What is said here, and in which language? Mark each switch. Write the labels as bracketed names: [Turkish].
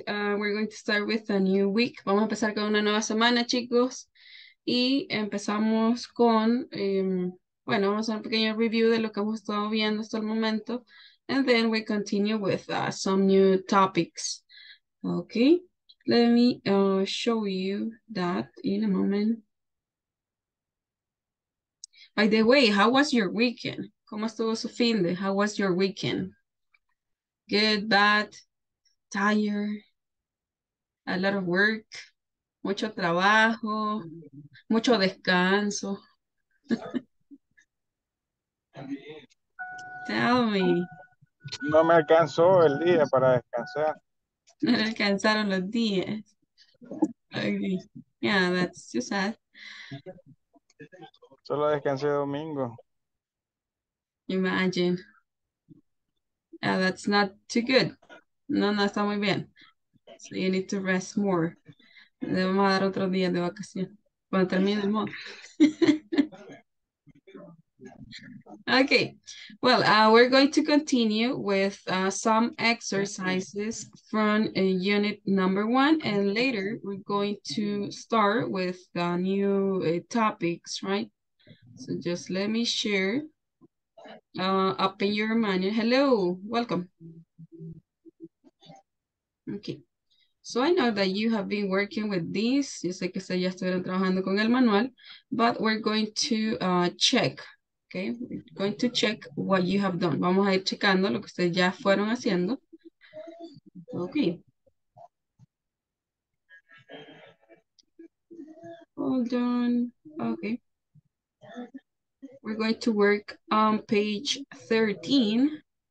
[English] We're going to start with a new week. [Spanish] Vamos a empezar con una nueva semana, chicos. Y empezamos con, bueno, vamos a hacer un pequeño review de lo que hemos estado viendo hasta el momento. [English] And then we continue with some new topics. Okay. Let me show you that in a moment. By the way, how was your weekend? [Spanish] ¿Cómo estuvo su fin de? [English] How was your weekend? Good, bad, tired, a lot of work, [Spanish] mucho trabajo, mucho descanso. [English] Tell me. [Spanish] No me alcanzó el día para descansar. No le alcanzaron los días. Okay. [English] Yeah, that's too sad. [Spanish] Solo descansé domingo. [English] Imagine. Yeah, that's not too good. [Spanish] No, no está muy bien. [English] So you need to rest more. [Spanish] Le vamos a dar otro día de vacación. Cuando termine el mod. [English] Okay, well, we're going to continue with some exercises from unit number one, and later we're going to start with the new topics, right? So just let me share up in your menu. Hello, welcome. Okay. So I know that you have been working with these. [Spanish] Yo sé que se ya estuvieron trabajando con el manual, [English] but we're going to check. Okay, we're going to check what you have done. [Spanish] Vamos a ir checando lo que ustedes ya fueron haciendo. [English] Okay. Hold on. Okay. We're going to work on page 13.